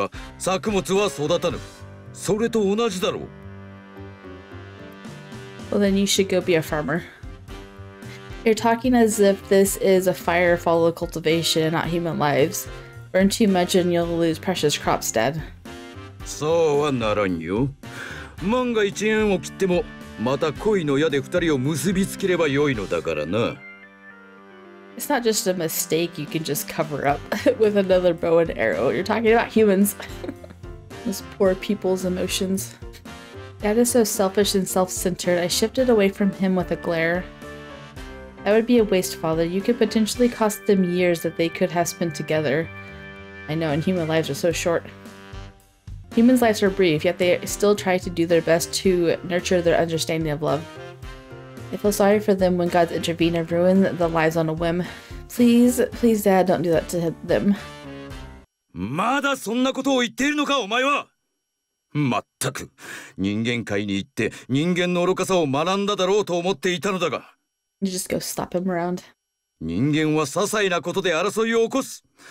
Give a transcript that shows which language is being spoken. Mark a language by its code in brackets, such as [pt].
[ja] 下がるのは一時的なものだ。田を耕さねば作物は育たぬ。それと同じだろう。 [en] Well, then you should go be a farmer. You're talking as if this is a fire follow cultivation, not human lives. Burn too much and you'll lose precious crops, Dad. [ja] そうはならんよ。万が一縁を切っても、また恋の矢で二人を結びつければよいのだからな。 [en] It's not just a mistake you can just cover up with another bow and arrow. You're talking about humans. Those poor people's emotions. Dad is so selfish and self-centered, I shifted away from him with a glare. That would be a waste, Father. You could potentially cost them years that they could have spent together. I know, and human lives are so short. Humans' lives are brief, yet they still try to do their best to nurture their understanding of love. I feel sorry for them when gods intervene and ruin the lives on a whim. Please, please, Dad, don't do that to them. [ja] まだそんなことを言っているのか、お前は。全く、人間界に行って人間の愚かさを学んだだろうと思っていたのだが。 [en] You just go slap him around. [ja] 人間は些細なことで争いを起こす。